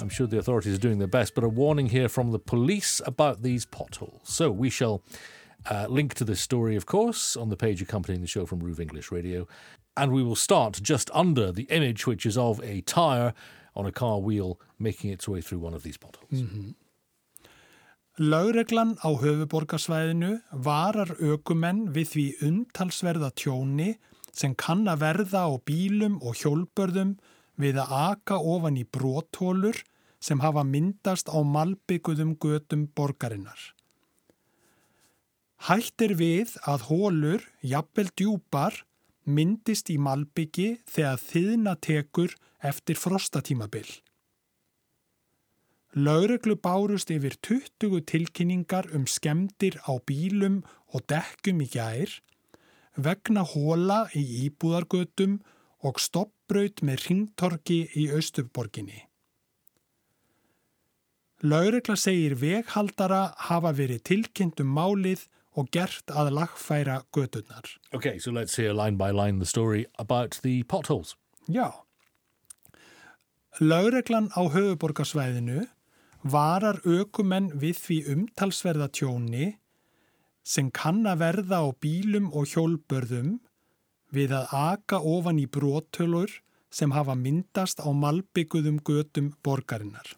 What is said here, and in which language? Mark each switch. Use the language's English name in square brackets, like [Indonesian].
[English] I'm sure the authorities are doing their best. But a warning here from the police about these potholes. So we shall link to this story, of course, on the page accompanying the show from RÚV English Radio. And we will start just under the image, which is of a tyre on a car wheel making its way through one of these potholes. Mm-hmm. [Icelandic] Lögreglan á höfuborgarsvæðinu varar ökumenn við því umtalsverða tjóni sem kann að verða á bílum og hjólbörðum við að aka ofan í brotholur sem hafa myndast á malbygguðum götum borgarinnar. Hætt er við að holur, jafnvel djúpar, myndist í malbyggi þegar þiðna tekur eftir frostatímabil. Lögreglu bárust yfir 20 tilkynningar skemmdir á bílum og dekkum í gær vegna hola í íbúðargötum og stoppbraut með hringtorki í Austurborginni. Lögregla segir veghaldara hafa verið tilkynnt málið og gert að lagfæra göturnar. [English] Okay, so let's hear line by line the story about the potholes. [Icelandic] Já. Lögreglan á höfuborgarsvæðinu varar ökumenn við því umtalsverða tjóni sem kann að verða á bílum og hjólbörðum við að aka ofan í brotholur sem hafa myndast á malbygguðum götum borgarinnar.